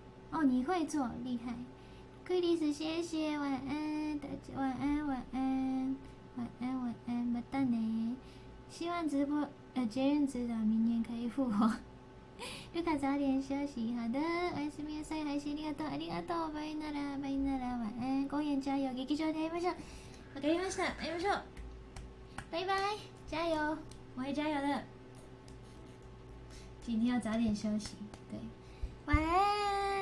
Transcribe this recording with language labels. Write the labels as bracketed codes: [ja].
[zh] 哦，你会做，厉害。Chris， 谢谢，晚安，大家晚安，晚安，晚安，晚安，不等你。希望直播，捷运指导明年可以复活。ルカ早点休息。好的， [ja] おやすみなさい。配信ありがとう、ありがとう。バイナラ、バイナラ、 [zh] 晚安。 [ja] 公演加油、劇場で会いましょう。わかりました、会いましょう。バイバイ、 [zh] 加油。我会加油的。今天要早点休息。对。晚安。